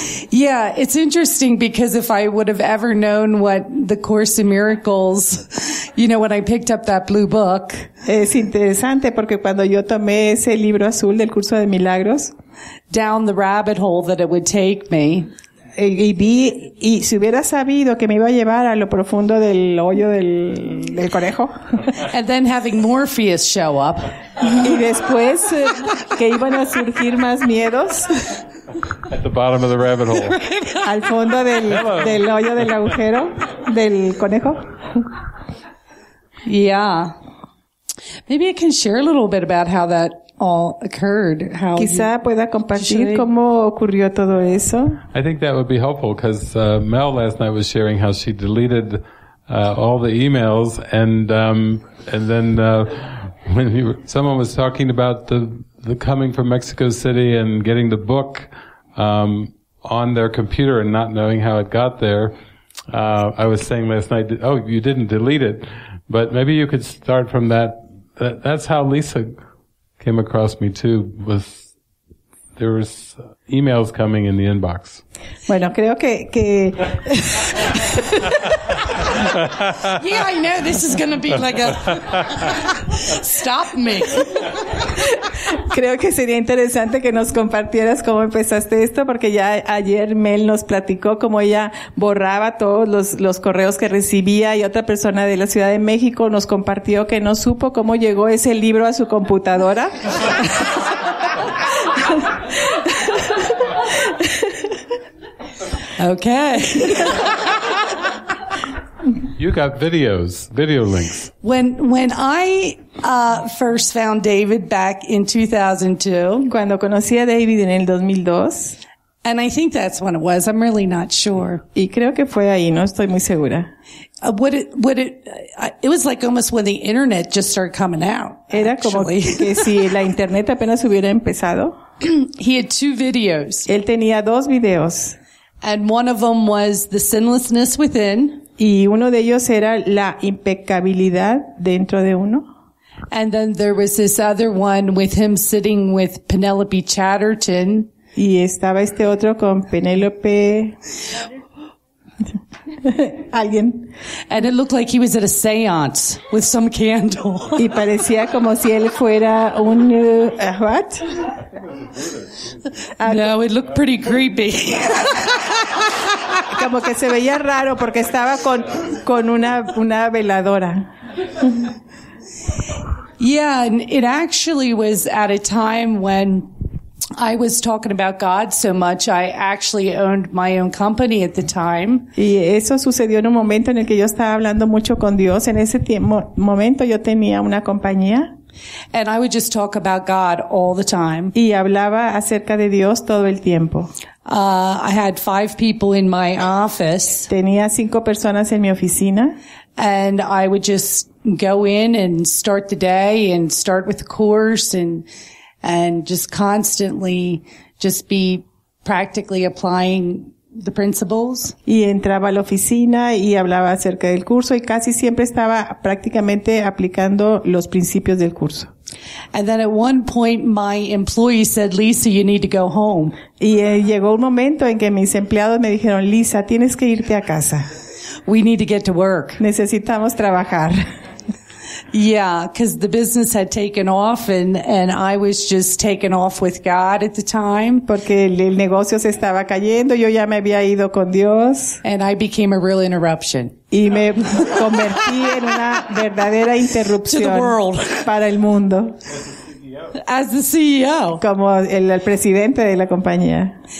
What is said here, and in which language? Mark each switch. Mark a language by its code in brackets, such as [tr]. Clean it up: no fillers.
[en] Yeah, it's interesting because if I would have ever known what the Course in Miracles, you know, when I picked up that blue book. [es] Es interesante porque cuando yo tomé ese libro azul del Curso de Milagros, [en] down the rabbit hole that it would take me. [es] Y si hubiera sabido que me iba a llevar a lo profundo del hoyo del conejo. [en] And then having Morpheus show up. [es] Y después que iban a surgir más miedos. [en] At the bottom of the rabbit hole. [es] Al fondo del hoyo del agujero del conejo. [en] Yeah. Maybe I can share a little bit about how that all occurred. How [es] quizá [en] you, [es] pueda compartir cómo ocurrió todo eso. [en] I think that would be helpful because Mel last night was sharing how she deleted all the emails and then when someone was talking about the coming from Mexico City and getting the book on their computer and not knowing how it got there, I was saying last night, oh, you didn't delete it, but maybe you could start from that's how Lisa came across me too, was there was emails coming in the inbox. [es] Bueno, creo que [en] yeah, I know this is going to be like a stop me. [es] Creo que sería interesante que nos compartieras cómo empezaste esto, porque ya ayer Mel nos platicó cómo ella borraba todos los correos que recibía, y otra persona de la Ciudad de México nos compartió que no supo cómo llegó ese libro a su computadora. [en] Okay. You got video links. When I first found David back in 2002, [es] cuando conocí a David en el 2002, [en] and I think that's when it was. I'm really not sure. [es] Y creo que fue ahí, no estoy muy segura. [en] It was like almost when the internet just started coming out. [es] Era como que si la internet apenas hubiera empezado. [en] He had two videos. [es] Él tenía dos videos. [en] And one of them was the sinlessness within. [es] Y uno de ellos era la impecabilidad dentro de uno. [en] And then there was this other one with him sitting with Penelope Chatterton. [es] Y estaba este otro con Penelope. Alguien. [en] And it looked like he was at a séance with some candle. [es] Y parecía como si él fuera un [en] what? No, it looked pretty creepy. [es] Como que se veía raro porque estaba con una veladora. [en] Yeah, and it actually was at a time when I was talking about God so much, I actually owned my own company at the time. [es] Y eso sucedió en un momento en el que yo estaba hablando mucho con Dios. En ese momento yo tenía una compañía. [en] And I would just talk about God all the time. [es] Y hablaba acerca de Dios todo el tiempo. [en] I had 5 people in my office. [es] Tenía 5 personas en mi oficina. [en] And I would just go in and start the day and start with the course and just constantly just be practically applying the principles. [es] Y entraba a la oficina y hablaba acerca del curso y casi siempre estaba prácticamente aplicando los principios del curso. [en] And then at one point my employee said, Lisa, you need to go home. [es] Y llegó un momento en que mis empleados me dijeron, Lisa, tienes que irte a casa. [en] We need to get to work. [es] Necesitamos trabajar. [en] Yeah, because the business had taken off and I was just taken off with God at the time. [es] Porque el negocio se estaba cayendo, yo ya me había ido con Dios. [en] And I became a real interruption. [es] Y me convertí en una verdadera interrupción. [en] To the world. [es] Para el mundo. [en] As the CEO. [es] Como el presidente de la compañía.